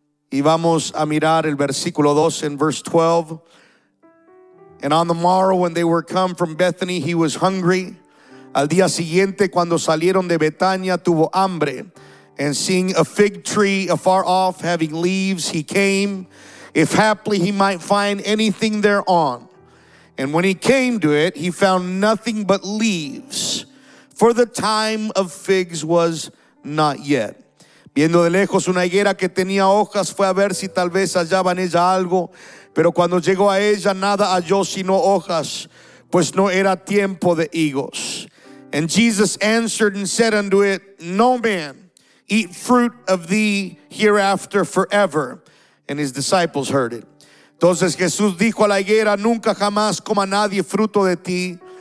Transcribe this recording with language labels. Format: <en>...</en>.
<es>Y vamos a mirar el versículo 12 en verse 12.</es> <en>And on the morrow when they were come from Bethany, he was hungry.</en> <es>Al día siguiente, cuando salieron de Betania, tuvo hambre.</es> <en>And seeing a fig tree afar off, having leaves, he came, if haply he might find anything thereon. And when he came to it, he found nothing but leaves, for the time of figs was not yet.</en> <es>Viendo de lejos una higuera que tenía hojas, fue a ver si tal vez hallaba en ella algo. Pero cuando llegó a ella, nada halló sino hojas, pues no era tiempo de higos.</es> <en>And Jesus answered and said unto it, no man eat fruit of thee hereafter forever. And his disciples heard it.</en> <es>Entonces Jesús dijo a la higuera, nunca jamás coma nadie fruto de ti.</es>